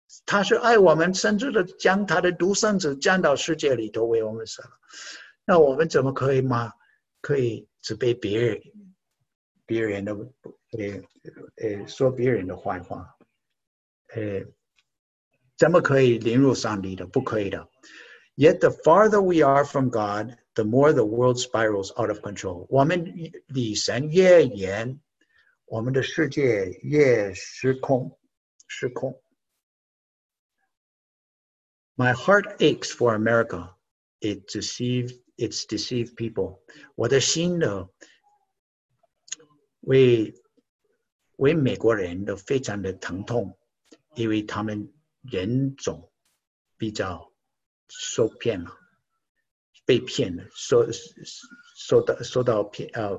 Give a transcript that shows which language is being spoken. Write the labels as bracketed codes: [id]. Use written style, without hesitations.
[zh] 他是爱我们，甚至的将他的独生子降到世界里头为我们死了。那我们怎么可以吗？可以只被别人的说别人的坏话，怎么可以凌辱上帝的？不可以的。 [en] Yet the farther we are from God, the more the world spirals out of control. [zh] 我们离神越远，我们的世界越失控，失控。 [en] My heart aches for America. It's deceived people. [zh] 我的心呢，为美国人都非常的疼痛，因为他们人种比较受骗了，被骗了，受到骗。